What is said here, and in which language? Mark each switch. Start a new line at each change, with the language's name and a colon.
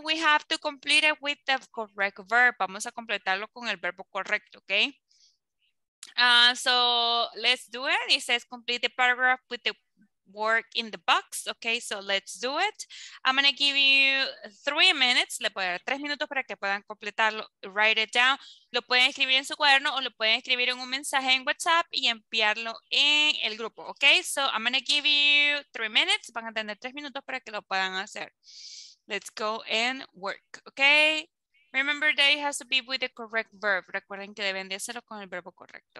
English: We have to complete it with the correct verb.
Spanish: Vamos a completarlo con el verbo correcto, ¿ok?
English: So, let's do it. It says complete the paragraph with the work in the box. Okay, so let's do it. I'm going to give you 3 minutes.
Spanish: Le voy a dar 3 minutos para que puedan completarlo.
English: Write it down.
Spanish: Lo pueden escribir en su cuaderno o lo pueden escribir en un mensaje en WhatsApp y enviarlo en el grupo.
English: Okay, so I'm going to give you 3 minutes.
Spanish: Van a tener 3 minutos para que lo puedan hacer.
English: Let's go and work. Okay, remember that it has to be with the correct verb.
Spanish: Recuerden que deben de hacerlo con el verbo correcto.